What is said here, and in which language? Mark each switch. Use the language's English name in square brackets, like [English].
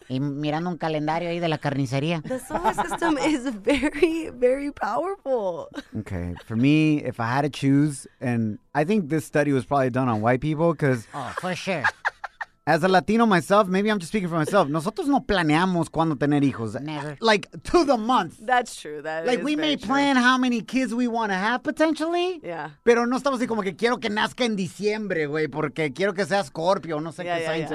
[Spanish] Y mirando un calendario ahí de la carnicería. [English] The solar system is very, very powerful. Okay, for me, if I had to choose, and I think this study was probably done on white people, because... Oh, for sure. As a Latino myself, maybe I'm just speaking for myself. [Spanish] Nosotros no planeamos cuándo tener hijos. [English] Never. Like, to the month. That's true. That like, is we may true. Plan how many kids we want to have, potentially. Yeah. [Spanish] Pero no estamos así como que quiero que nazca en diciembre, güey, porque quiero que sea Scorpio, no sé qué sea.